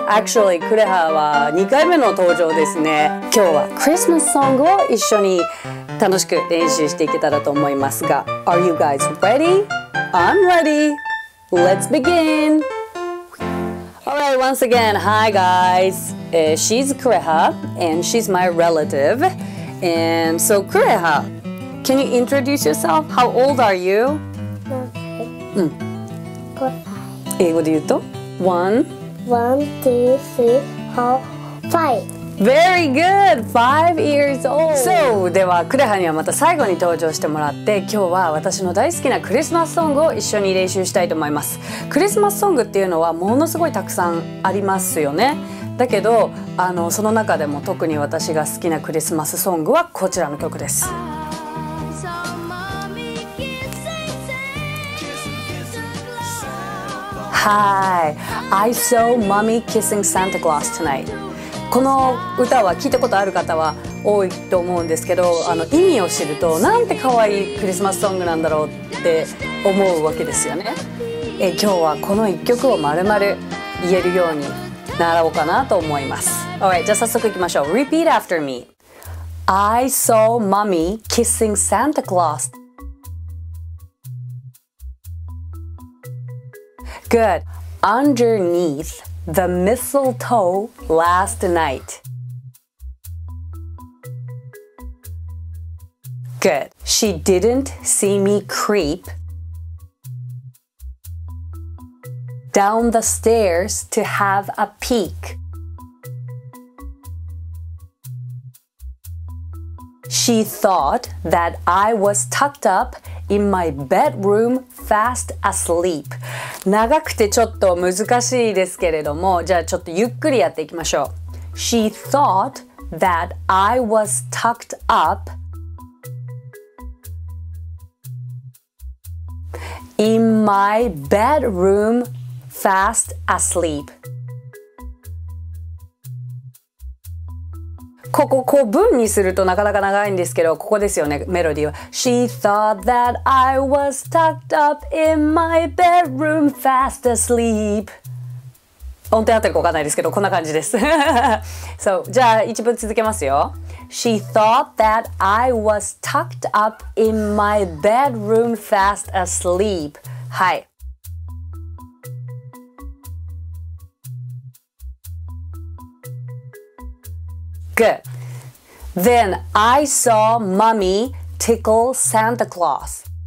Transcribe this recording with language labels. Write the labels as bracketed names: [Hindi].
[Japanese] Actually, Kureha は2回目の登場ですね。今日はクリスマスソングを一緒に楽しく練習していけたらと思いますが、 [English] Are you guys ready? I'm ready! Let's begin! Alright, once again, hi guys!、she's Kureha, and she's my relative. And so, Kureha, can you introduce yourself? How old are you? 5. [Japanese] 英語で言うと?1? [English] 1, 2, 3, 4, 5. Very good! 5 years old! [Japanese] So, では、Kureha にはまた最後に登場してもらって、今日は私の大好きなクリスマスソングを一緒に練習したいと思います。クリスマスソングっていうのはものすごいたくさんありますよね。だけど、その中でも特に私が好きなクリスマスソングはこちらの曲です。 [English] Hi! I saw Mommy kissing Santa Claus tonight. [Japanese] この歌は聞いたことある方は多いと思うんですけど、意味を知るとなんて可愛いクリスマスソングなんだろうって思うわけですよね。今日はこの1曲をまるまる言えるように習おうかなと思います。 Alright, じゃあ早速行きましょう。 [English] Repeat after me. I saw mommy kissing Santa Claus. Good. Underneath. The mistletoe last night. Good. She didn't see me creep down the stairs to have a peek. She thought that I was tucked up in my bedroom fast asleep. [Japanese] 長くてちょっと難しいですけれども、じゃあちょっとゆっくりやっていきましょう。 [English] She thought that I was tucked up in my bedroom fast asleep. [Japanese] ここ、こう文にするとなかなか長いんですけど、ここですよね、メロディーは。 [English] She thought that I was tucked up in my bedroom fast asleep. [Japanese] 音程合ってるかわかんないですけど、こんな感じです。そう、じゃあ一文続けますよ。 [English] She thought that I was tucked up in my bedroom fast asleep. [Japanese] はい。 [English] Good. Then I saw mommy tickle Santa Claus.